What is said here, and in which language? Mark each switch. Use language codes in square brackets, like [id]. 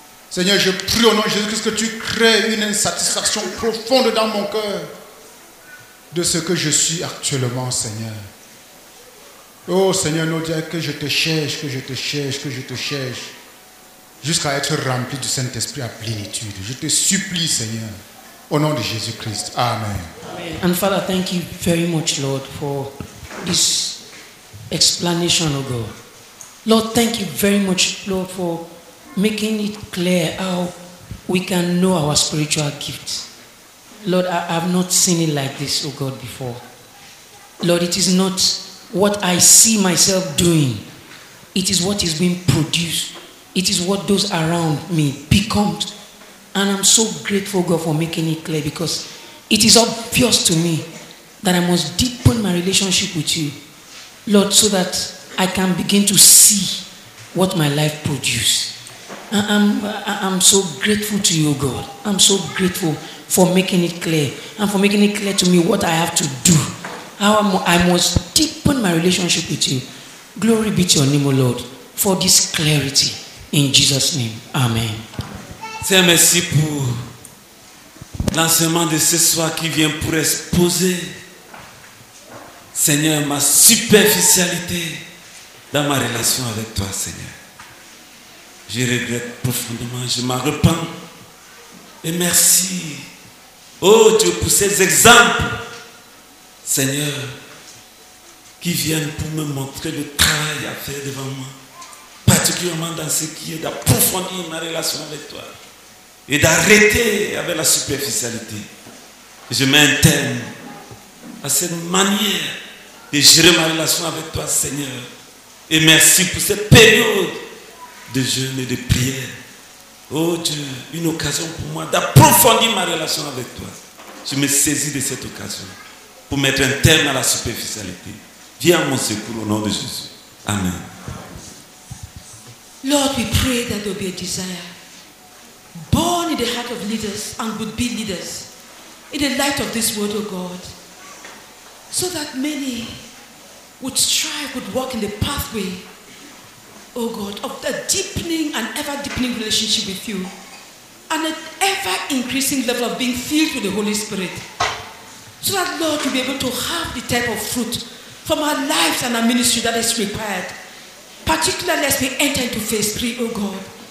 [fr] Seigneur, je prie au nom de Jésus-Christ que tu crées une insatisfaction profonde dans mon cœur de ce que je suis actuellement, Seigneur. Oh Seigneur, nous disons que je te cherche, que je te cherche, que je te cherche, jusqu'à être rempli du Saint-Esprit à plénitude. Je te supplie, Seigneur, au nom de Jésus-Christ. Amen. Amen. [en] And Father, thank you very much, Lord, for this explanation, oh God. Lord, thank you very much, Lord, for making it clear how we can know our spiritual gifts. Lord, I have not seen it like this, oh God, before. Lord, it is not what I see myself doing. It is what is being produced. It is what those around me become. And I'm so grateful, God, for making it clear, because it is obvious to me that I must deepen my relationship with you, Lord, so that I can begin to see what my life produced. I'm so grateful to you, God. I'm so grateful for making it clear and for making it clear to me what I have to do. How I must deepen my relationship with you. Glory be to your name, O Lord, for this clarity. In Jesus' name, amen. [fr] Seigneur, merci pour l'enseignement de ce soir qui vient pour exposer, Seigneur, ma superficialité dans ma relation avec toi, Seigneur. Je regrette profondément, je m'en repens. Et merci, oh Dieu, pour ces exemples, Seigneur, qui viennent pour me montrer le travail à faire devant moi, particulièrement dans ce qui est d'approfondir ma relation avec toi et d'arrêter avec la superficialité. Je mets un terme à cette manière de gérer ma relation avec toi, Seigneur. Et merci pour cette période de jeûne et de prière. Oh Dieu, une occasion pour moi d'approfondir ma relation avec toi. Je me saisis de cette occasion pour mettre un terme à la superficialité. Viens à mon secours au nom de Jésus. Amen. [en] Lord, we pray that there will be a desire born in the heart of leaders and would be leaders in the light of this word, O God, so that many would strive, would walk in the pathway, O God, of the deepening and ever deepening relationship with you and an ever increasing level of being filled with the Holy Spirit, so that, Lord, you'll be able to have the type of fruit from our lives and our ministry that is required, particularly as we enter into phase 3, O God.